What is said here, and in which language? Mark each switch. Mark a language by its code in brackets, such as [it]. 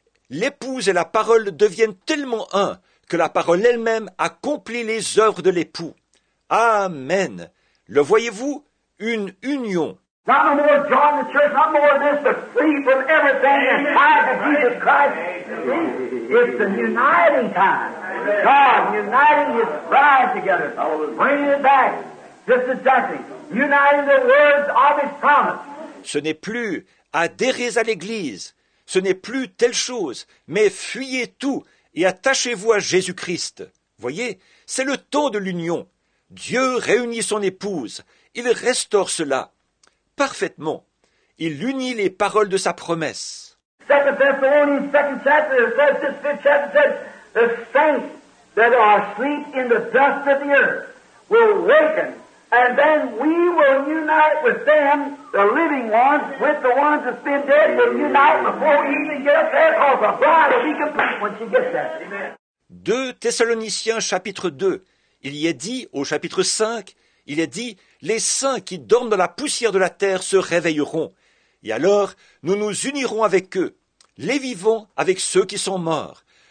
[fr] L'épouse et la parole deviennent tellement un que la parole elle-même accomplit les œuvres de l'époux. Amen. Le voyez-vous? Une union. [en] Not no more join the church, not more this, but free from everything and tied to Jesus Christ. It's the uniting time. God uniting his bride together, bringing it back. Just exactly. Uniting the words of his promise. [fr] Ce n'est plus adhérer à l'Église. Ce n'est plus telle chose, mais fuyez tout et attachez-vous à Jésus-Christ. Voyez, c'est le temps de l'union. Dieu réunit son épouse. Il restaure cela. Parfaitement. Il unit les paroles de sa promesse. [en] 2 Thessalonians, 2 chapter, it says, this 5th chapter says, the saints that are asleep in the dust of the earth will awaken And then we will unite with them, the living ones, with the ones that's been dead. Amen. We'll unite before we even get up there, because the bride will be complete when she gets there. Amen. [fr] 2 Thessaloniciens, chapitre 2. Il y est dit, au chapitre 5, il est dit, « Les saints qui dorment dans la poussière de la terre se réveilleront. Et alors, nous nous unirons avec eux, les vivants avec ceux qui sont morts.